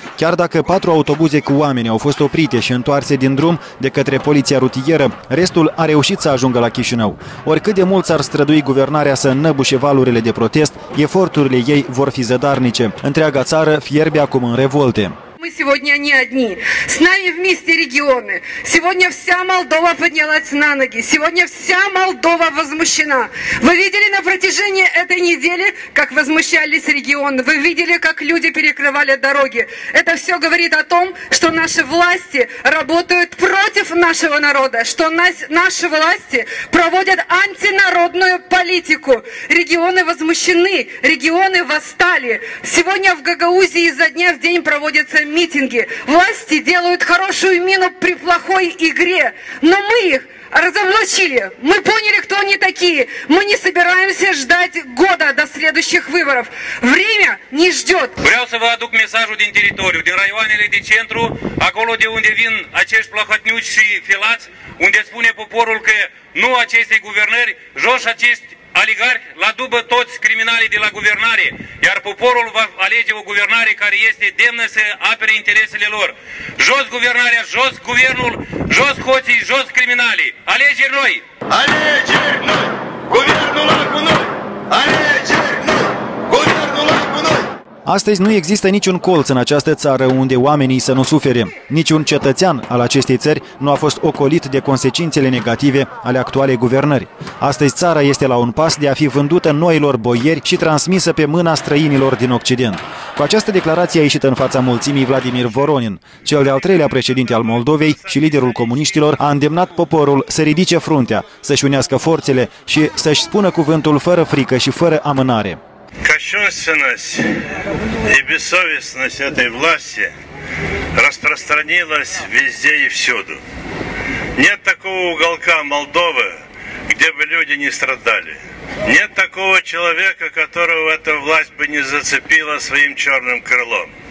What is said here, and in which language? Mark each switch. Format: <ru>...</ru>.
<ro>Chiar dacă 4 autobuze cu oameni au fost oprite și întoarse din drum de către poliția rutieră, restul a reușit să ajungă la Chișinău. Oricât de mult s-ar strădui guvernarea să înnăbușe valurile de protest, eforturile ei vor fi zădarnice. Întreaga țară fierbe acum în revolte.</ro> <ru>Мы сегодня не одни. С нами вместе регионы. Сегодня вся Молдова поднялась на ноги. Сегодня вся Молдова возмущена. Вы видели на протяжении этой недели, как возмущались регионы. Вы видели, как люди перекрывали дороги. Это все говорит о том, что наши власти работают против нашего народа. Что наши власти проводят антинародную политику. Регионы возмущены. Регионы восстали. Сегодня в Гагаузии изо дня в день проводятся митинги. Власти делают хорошую мину при плохой игре. Но мы их разоблачили. Мы поняли, кто они такие. Мы не собираемся ждать года до следующих выборов. Время не ждет.</ru> <ro>Vreau să vă aduc mesajul din teritoriu, din raioanele de centru, acolo de unde vin acești plahotniuci și filați, unde spune poporul că nu acestei guvernări, jos acești aligari, la dubă toți criminalii de la guvernare, iar poporul va alege o guvernare care este demnă să apere interesele lor. Jos guvernarea, jos guvernul, jos hoții, jos criminalii. Alegeri noi! Alegeri noi! Guvernul la cu noi! Astăzi nu există niciun colț în această țară unde oamenii să nu sufere. Niciun cetățean al acestei țări nu a fost ocolit de consecințele negative ale actualei guvernări. Astăzi țara este la un pas de a fi vândută noilor boieri și transmisă pe mâna străinilor din Occident. Cu această declarație a ieșit în fața mulțimii Vladimir Voronin, cel de-al treilea președinte al Moldovei și liderul comuniștilor, a îndemnat poporul să ridice fruntea, să-și unească forțele și să-și spună cuvântul fără frică și fără amânare.</ro> <ru>Кощунственность и бессовестность этой власти распространилась везде и всюду. Нет такого уголка Молдовы, где бы люди не страдали. Нет такого человека, которого эта власть бы не зацепила своим черным крылом.</ru>